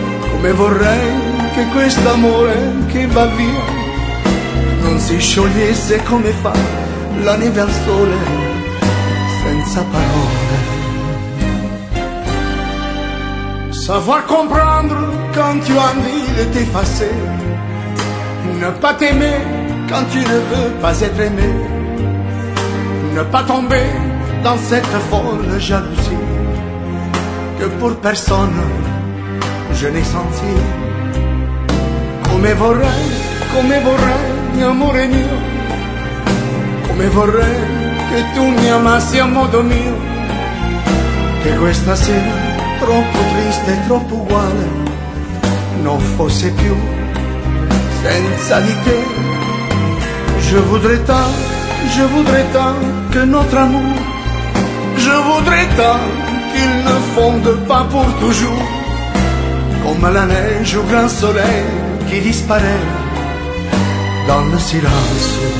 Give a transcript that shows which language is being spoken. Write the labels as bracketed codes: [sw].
[it] Come vorrei che quest'amore che va via non si sciogliesse come fa la neve al sole, senza parole. [fr] Savoir comprendre quand tu as envie de t'effacer. Ne pas t'aimer quand tu ne veux pas être aimé. Ne pas tomber dans cette folle jalousie que pour personne je n'ai senti. [it] Come vorrei, amore mio. Come vorrei che tu mi amassi a modo mio. Che questa sera troppo triste e troppo uguale non fosse più senza di te. [fr] Je voudrais tant que notre amour. Je voudrais tant qu'il ne fonde pas pour toujours. Comme la neige au grand soleil qui disparaît dans le silence.